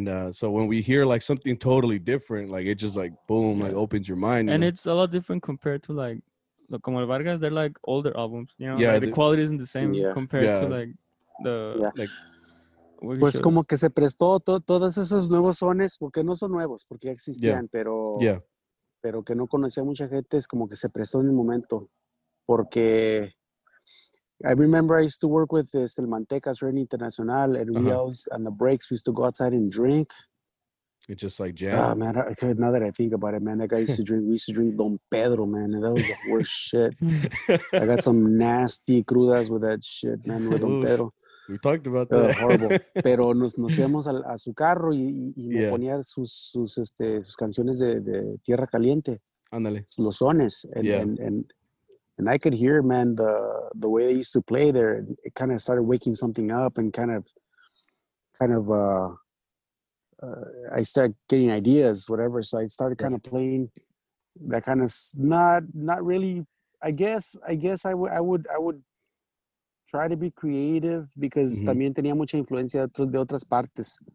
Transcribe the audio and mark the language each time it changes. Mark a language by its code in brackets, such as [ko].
[en] So when we hear like something totally different, like, it just like boom, like opens your mind. And it's a lot different compared to like Locomo Vargas. They're like older albums, you know. Yeah, like, the quality isn't the same compared to like the like. [es] Pues shows. Como que se prestó todos esos nuevos sones, porque no son nuevos, porque ya existían, pero que no conocía mucha gente, es como que se prestó en el momento. Porque [en] I remember I used to work with El Mantecas, Red Internacional, and we always, on the breaks, we used to go outside and drink. It's just like jam. Ah, man, now that I think about it, man, that guy used to drink, we used to drink Don Pedro, man, and that was the worst shit. I got some nasty crudas with that shit, man, with Don Pedro. We talked about that. Horrible. [es] Pero nos íbamos a su carro y me ponía sus canciones de Tierra Caliente. Ándale. Los sones. [en] And I could hear, man, the way they used to play there. It kind of started waking something up, and I started getting ideas, whatever. So I started kind of playing that kind of, not really, I guess I would try to be creative, because [es] también tenía mucha influencia de otras partes.